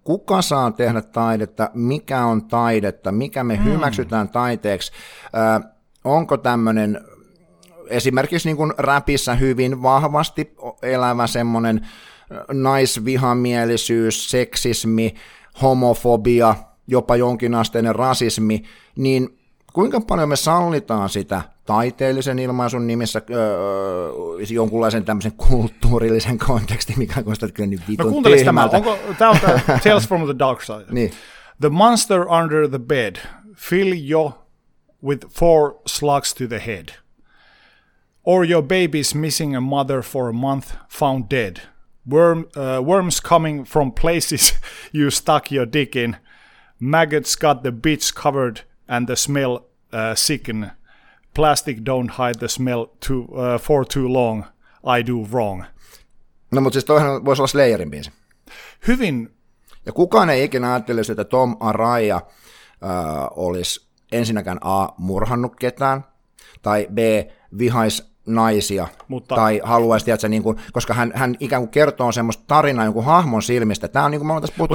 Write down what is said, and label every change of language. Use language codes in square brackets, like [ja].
[fi] Kuka saa tehdä taidetta, mikä on taidetta, mikä me hyväksytään taiteeksi, onko tämmöinen esimerkiksi niin kuin rapissa hyvin vahvasti elävä semmoinen naisvihamielisyys, seksismi, homofobia, jopa jonkinasteinen rasismi, niin kuinka paljon me sallitaan sitä taiteellisen ilmaisun nimissä jonkunlaisen tämmöisen kulttuurillisen kontekstin, mikä on sitä kyllä niin vitun tyhmältä. Tämä on Tales from the Dark Side. Niin. [en] The monster under the bed, fill you with four slugs to the head. Or your baby's missing a mother for a month, found dead. Worms coming from places you stuck your dick in. Maggots got the bitch covered and the smell sicken. Plastic don't hide the smell for too long. I do wrong. [fi] No, mutta siis toihan voisi olla Slayerin biisi. Hyvin. Ja kukaan ei ikinä ajattelisi, että Tom Araya olisi ensinnäkään A. murhannut ketään, tai B. vihaisi naisia, mutta, tai haluaisi, tiedätkö, niin kuin, koska hän ikään kuin kertoo semmoista tarinaa jonkun hahmon silmistä. Tämä on niin kuin, mä olen tässä puhuttu